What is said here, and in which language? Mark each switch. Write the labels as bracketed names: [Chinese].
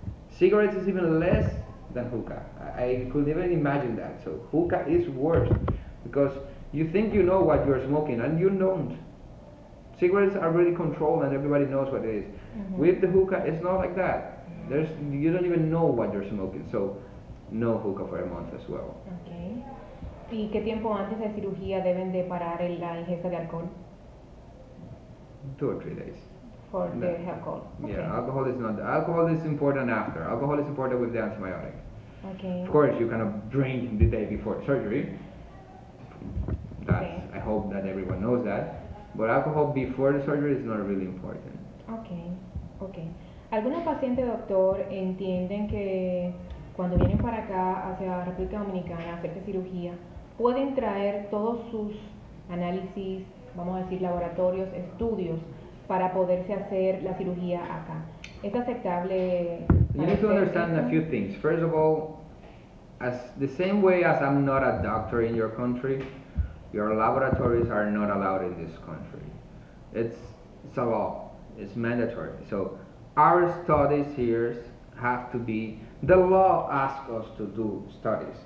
[English] Cigarettes is even less than hookah. I couldn't even imagine that. So hookah is worse, because you think you know what you're smoking and you don't. Cigarettes are really controlled and everybody knows what it is. Mm-hmm. With the hookah, it's not like that. There's, you don't even know what you're smoking, so no hookah for a month as well. [Spanish] Okay. ¿Y qué tiempo antes de cirugía deben de parar en la ingesta de alcohol? [English] 2 or 3 days. For the alcohol. Okay. Yeah, alcohol is not. Alcohol is important after. Alcohol is important with the antibiotic. Okay. Of course, you cannot drink the day before surgery. That's, okay. I hope that everyone knows that. But alcohol before the surgery is not really important. Okay. [Spanish] Algunos pacientes, doctor, entienden que cuando vienen para acá, hacia la República Dominicana, a hacerse cirugía, pueden traer todos sus análisis, vamos a decir, laboratorios, estudios, para poderse hacer la cirugía acá. ¿Es aceptable? [English] You need to understand a few things. First of all, as the same way as I'm not a doctor in your country, your laboratories are not allowed in this country. It's a law. It's mandatory. So our studies here have to be, the law asks us to do studies.